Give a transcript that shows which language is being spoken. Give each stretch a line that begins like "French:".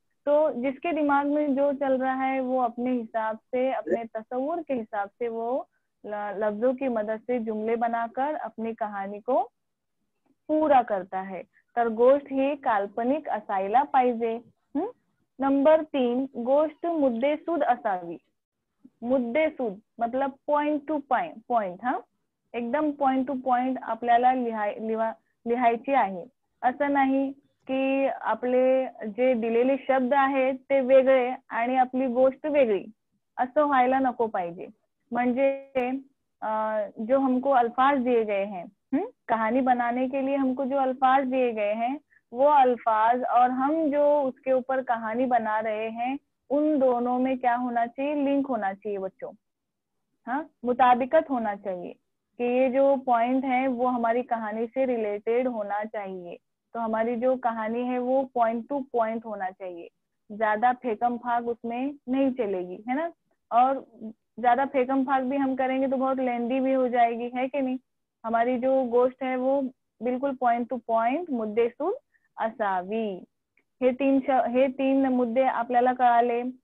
Hindi: तो जिसके दिमाग में जो चल रहा है वो अपने हिसाब से, अपने तस्वुर के हिसाब से वो लफ्जों की मदद से जुमले बनाकर अपनी कहानी को पूरा करता है।
Marathi: तर गोष्ट ही काल्पनिक असायला पाहिजे। नंबर तीन, गोष्ट मुद्देसूद असावी। मुद्देसूद मतलब पॉइंट टू पॉइंट, हा एकदम पॉइंट टू पॉइंट आपल्याला लिहायची आहे। असं नाही कि आपले जे दिलेले शब्द आहेत ते वेगळे आणि आपली गोष्ट वेगळी, असं व्हायला नको पाहिजे।
Hindi: म्हणजे जो हमको अल्फाज दिए गए हैं कहानी बनाने के लिए, हमको जो अल्फाज दिए गए हैं वो अल्फाज और हम जो उसके ऊपर कहानी बना रहे हैं उन दोनों में क्या होना चाहिए, लिंक होना चाहिए बच्चों। हाँ, मुताबिकत होना चाहिए कि ये जो पॉइंट है वो हमारी कहानी से रिलेटेड होना चाहिए। तो हमारी जो कहानी है वो पॉइंट टू पॉइंट होना चाहिए, ज्यादा फेकम फाक उसमें नहीं चलेगी, है ना। और ज्यादा फेकम फाक भी हम करेंगे तो बहुत लेंदी भी हो जाएगी, है कि नहीं। हमारी जो गोष्ट है वो बिल्कुल पॉइंट टू पॉइंट
Marathi: मुद्देसूद असावी। हे तीन मुद्दे आपल्याला कळाले।